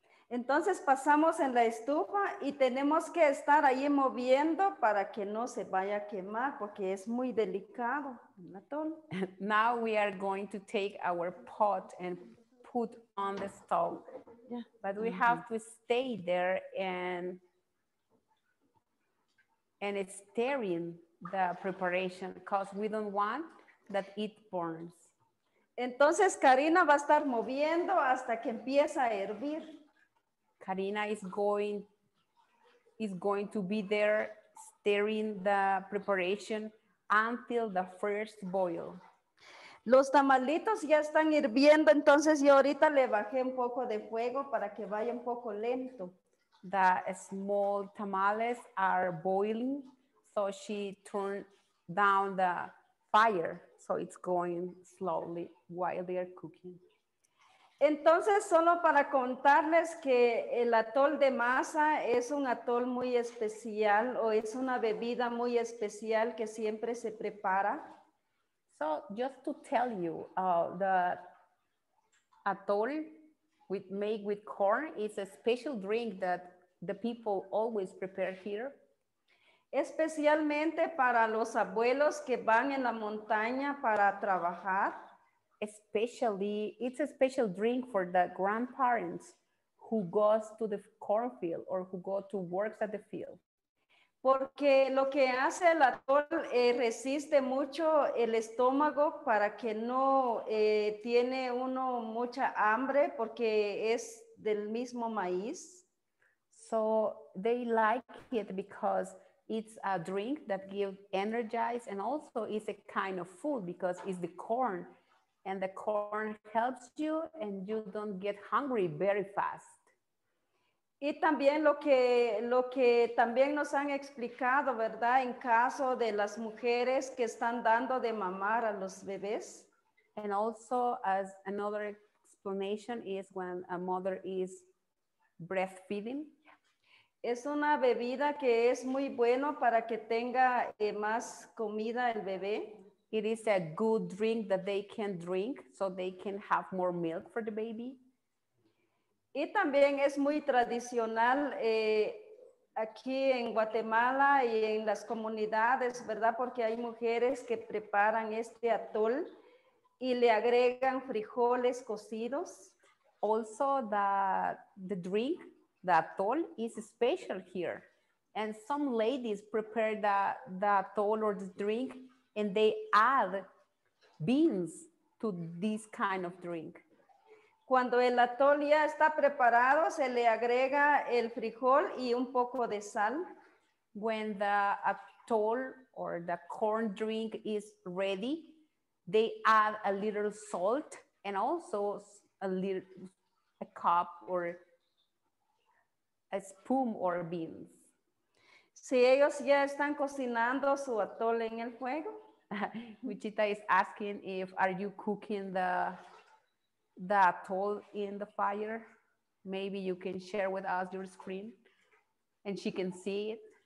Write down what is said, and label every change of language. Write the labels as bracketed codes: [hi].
[es] Entonces pasamos en la estufa y tenemos que estar ahí moviendo para que no se vaya a quemar porque es muy delicado el atol. [en] Now we are going to take our pot and put on the stove. Yeah. But we have to stay there and and it's tearing the preparation because we don't want that it burns. [es] Entonces Karina va a estar moviendo hasta que empieza a hervir. [en] Karina is going to be there stirring the preparation until the first boil. [es] Los tamalitos ya están hirviendo, entonces yo ahorita le bajé un poco de fuego para que vaya un poco lento. [en] The small tamales are boiling, so she turned down the fire, so it's going slowly while they are cooking. [es] Entonces, solo para contarles que el atol de masa es un atol muy especial o es una bebida muy especial que siempre se prepara. [en] So, just to tell you, the atol made with corn is a special drink that the people always prepare here. [es] Especialmente para los abuelos que van en la montaña para trabajar. [en] Especially, it's a special drink for the grandparents who goes to the cornfield or who go to work at the field. [es] Porque lo que hace el atol resiste mucho el estómago para que no tiene uno mucha hambre porque es del mismo maíz. [en] So they like it because it's a drink that gives energy and also is a kind of food because it's the corn. And the corn helps you and you don't get hungry very fast. [es] Y también lo que también nos han explicado, ¿verdad? En caso de las mujeres que están dando de mamar a los bebés. [en] And also, as another explanation is when a mother is breastfeeding. [es] Es una bebida que es muy bueno para que tenga más comida el bebé. [en] It is a good drink that they can drink so they can have more milk for the baby. [es] Y también es muy tradicional aquí en Guatemala y en las comunidades, ¿verdad? Porque hay mujeres que preparan este atol y le agregan frijoles cocidos. [en] Also, the drink, the atol, is special here. And some ladies prepare the atol or the drink and they add beans to this kind of drink. [es] Cuando el atol ya está preparado, se le agrega el frijol y un poco de sal. [en] When the atol or the corn drink is ready, they add a little salt and also a cup or a spoon or beans. [es] Si ellos ya están cocinando su atol en el fuego. [en] Wichita is asking if are you cooking the atoll in the fire. Maybe you can share with us your screen and she can see it.